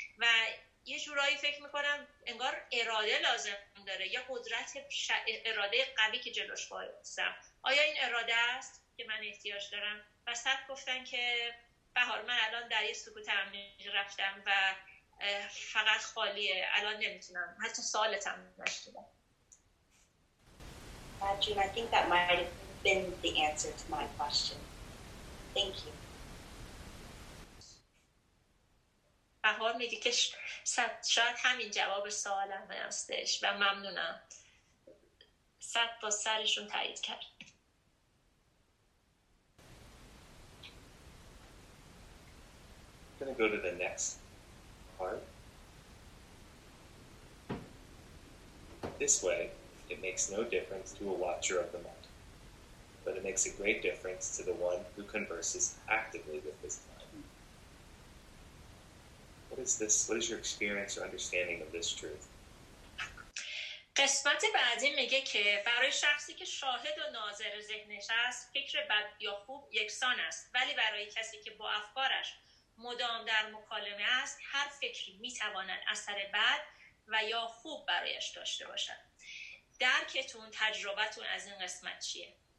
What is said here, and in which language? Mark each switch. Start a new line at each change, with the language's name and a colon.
Persian: و یه جورایی فکر میکنم انگار اراده لازم داره، یا قدرت اراده قوی که جلوش بایستم. آیا این اراده است که من احتیاج دارم؟ و صد گفتن که بهار من الان در یه سکوت عمیق رفتم و فقط خالیه، الان نمیتونم، حتی سوالت هم نشده.
English: Bajun, I think that might have been the answer to my question. Thank you.
Persian: بهار میگه که شاید همین جواب سوال همه هستش و ممنونم. صد با سرشون تایید کرد.
English: I'm going to go to the next part. This way, it makes no difference to a watcher of the mind, but it makes a great difference to the one who converses actively with his mind. What is this? What is your experience or understanding of this truth?
Persian: قسمت بعدی میگه که برای شخصی که شاهد و ناظر ذهنش است، فکر بد یا خوب یکسان است، ولی برای کسی که با افکارش مدام در مکالمه است، هر فکری میتواند اثر بد و یا خوب برایش داشته باشد. درکتون، تجربتون از این قسمت چیه؟